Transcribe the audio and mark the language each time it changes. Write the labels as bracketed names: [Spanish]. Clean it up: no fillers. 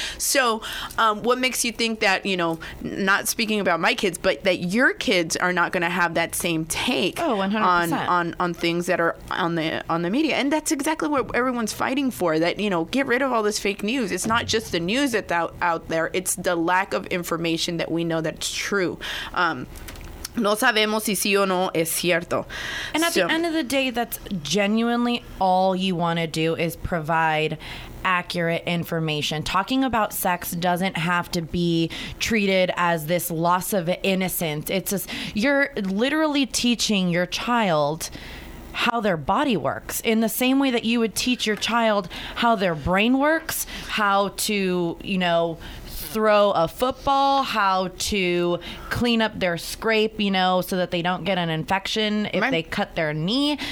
[English] So what makes you think that, you know, not speaking about my kids, but that your kids are not going to have that same take on things that are on the media? And that's exactly what everyone's fighting for, that, you know, get rid of all this fake news. It's not just the news that's out there. It's the lack of information that we know that's true. [Spanish] No sabemos si sí o no es cierto. [English] And at the end of the day, that's genuinely all you want to do, is provide accurate information. Talking about sex doesn't have to be treated as this loss of innocence. It's just, you're literally teaching your child how their body works in the same way that you would teach your child how their brain works, how to, you know, throw a football, how to clean up their scrape, you know, so that they don't get an infection if they cut their knee.